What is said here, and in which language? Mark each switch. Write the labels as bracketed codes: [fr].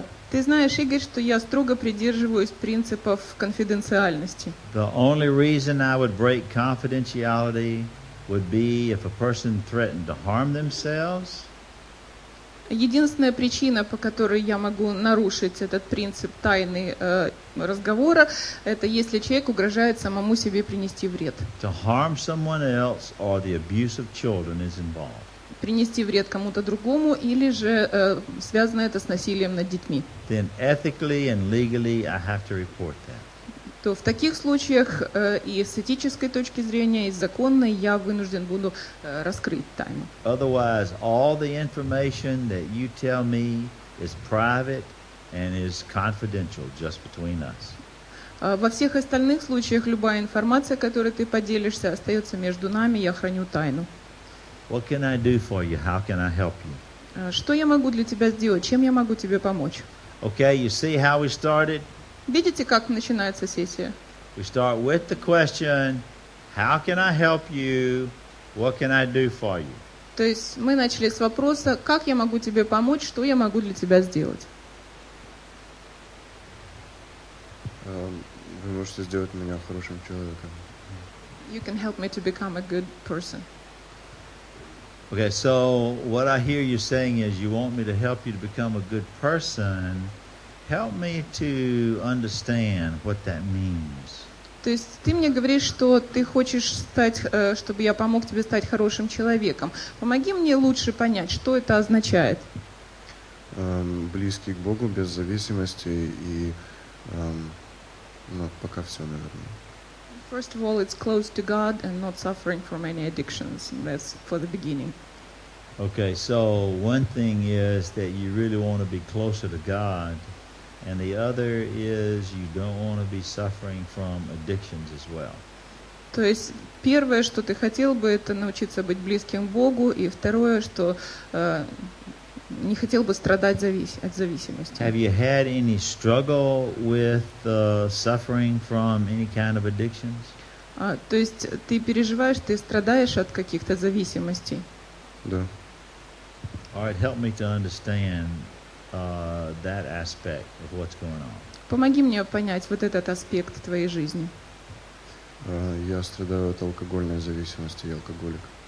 [ru] Ты знаешь, Игорь, что я строго придерживаюсь принципов конфиденциальности. [en] The only reason I would break confidentiality would be if a person threatened to harm themselves. [ru] Единственная причина, по которой я могу нарушить этот принцип тайны разговора, это если человек угрожает самому себе принести вред. [en] To harm someone else or the abuse of children is involved. [ru] Принести вред кому-то другому или же связано это с насилием над детьми. [en] Then ethically and legally I have to report that. [ru] То в таких случаях и с этической точки зрения, и с законной, я вынужден буду раскрыть тайну. [en] Otherwise, all the information that you tell me is private and is confidential just between us. [ru] Во всех остальных случаях любая информация, которой ты поделишься, остается между нами, я храню тайну. [en] What can I do for you? How can I help you? [ru] Что я могу для тебя сделать? Чем я могу тебе помочь? [en] Okay, you see how we started? [ru] Видите, как начинается сессия? [en] We start with the question, how can I help you? What can I do for you? [ru] То есть мы начали с вопроса, как я могу тебе помочь? Что я могу для тебя сделать? Вы можете сделать меня хорошим человеком. [en] You can help me to become a good person. Okay, so what I hear you saying is you want me to help you to become a good person. Help me to understand what that means. [ru] То есть ты мне говоришь, что ты хочешь стать, чтобы я помог тебе стать хорошим человеком. Помоги мне лучше понять, что это означает. Близкий к Богу, без зависимости и... Ну, пока все, наверное. [en] First of all, it's close to God and not suffering from any addictions. That's for the beginning. Okay, so one thing is that you really want to be closer to God. And the other is you don't want to be suffering from addictions as well. [ru] То есть первое, что ты хотел бы, это научиться быть близким к Богу, и второе, что не хотел бы страдать от зависимости. [en] Have you had any struggle with suffering from any kind of addictions? [ru] То есть ты переживаешь, ты страдаешь от каких-то зависимостей? Да. [en] All right, help me to understand that aspect of what's going on. [ru] Помоги мне понять вот этот аспект твоей жизни. Я страдаю от алкогольной зависимости, я алкоголик.